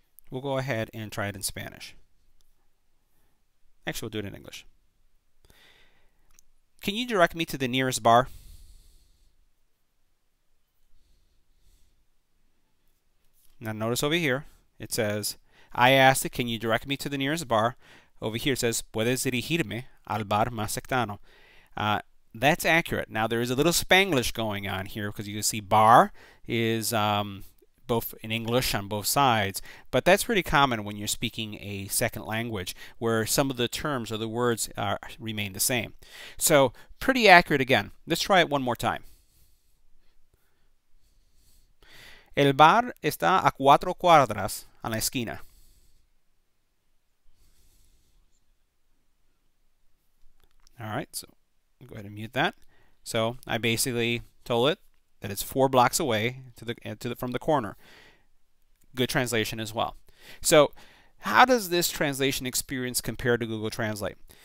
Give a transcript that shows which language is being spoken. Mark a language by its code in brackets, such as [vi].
[en] We'll go ahead and try it in Spanish. Actually, we'll do it in English. Can you direct me to the nearest bar? Now notice over here, it says, I asked, can you direct me to the nearest bar? Over here it says, [es] ¿Puedes dirigirme al bar más cercano? [en] That's accurate. Now there is a little Spanglish going on here because you can see bar is both in English on both sides. But that's pretty common when you're speaking a second language where some of the terms or the words remain the same. So pretty accurate again. Let's try it one more time. [es] El bar está a cuatro cuadras a la esquina. [en] All right, so I'll go ahead and mute that. So I basically told it that it's four blocks away from the corner. Good translation as well. So how does this translation experience compare to Google Translate?